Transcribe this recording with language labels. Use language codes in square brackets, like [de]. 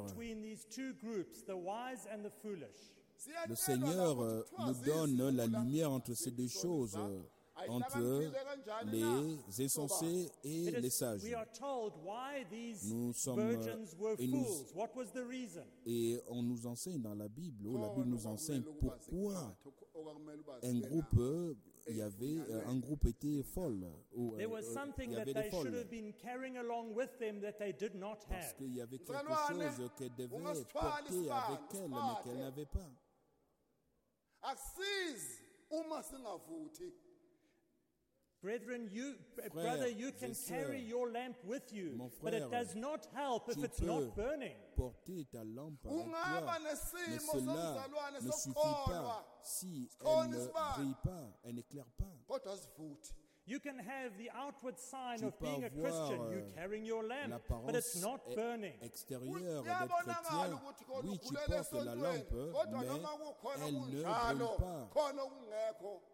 [en] between these two groups, the wise and the foolish. [fr] Le Seigneur nous donne la lumière entre ces deux choses, entre les insensés et les sages. [en] We are told why these virgins were fools. What was the reason? [fr] Et on nous enseigne dans la Bible, la Bible nous enseigne pourquoi un groupe y avait un groupe était folle. [en] There was something that they should have been carrying along with them that they did not have. [fr] Parce qu'il y avait quelque chose qu'elle devait porter avec elle mais qu'elle n'avait pas. [en] Brethren, you, brother, you can carry your lamp with you, [fr] frère, [en] but it does not help if it's not burning. [fr] Porter ta lampe avec toi, mais cela ne suffit pas si elle ne brille pas, elle n'éclaire pas. [en] You can have the outward sign of being a Christian, you carrying your lamp, but it's not burning. [fr] Extérieur d'être chrétien, oui, tu portes la lampe, mais elle ne brille pas.